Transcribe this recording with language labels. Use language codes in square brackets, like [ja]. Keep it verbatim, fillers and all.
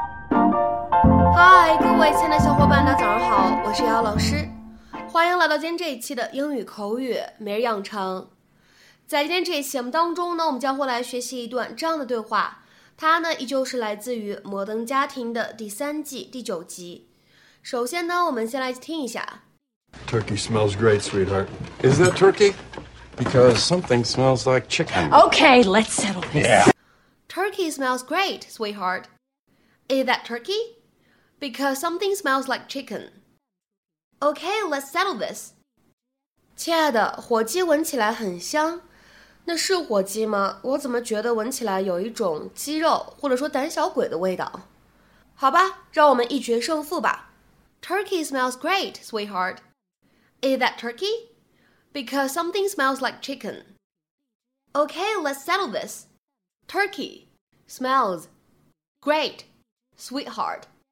[zh] 嗨，各位亲爱的小伙伴，大家早上好，我是姚老师，欢迎来到今天这一期的英语口语每日养成。在今天这一期节目当中呢，我们将会来学习一段这样的对话，它呢依旧是来自于《摩登家庭》的第三季第九集。首先呢，我们先来听一下。 [en] Turkey smells great, sweetheart. Is that turkey? Because something smells like chicken. Okay, let's settle this. Yeah. Turkey smells great, sweetheart. Is that turkey? Because something smells like chicken. Okay, let's settle this. [zh] 亲爱的，火鸡闻起来很香。那是火鸡吗？我怎么觉得闻起来有一种鸡肉或者说胆小鬼的味道？好吧，让我们一决胜负吧。 [en] Turkey smells great, sweetheart. Is that turkey? Because something smells like chicken. Okay, let's settle this. Turkey smells great, sweetheart.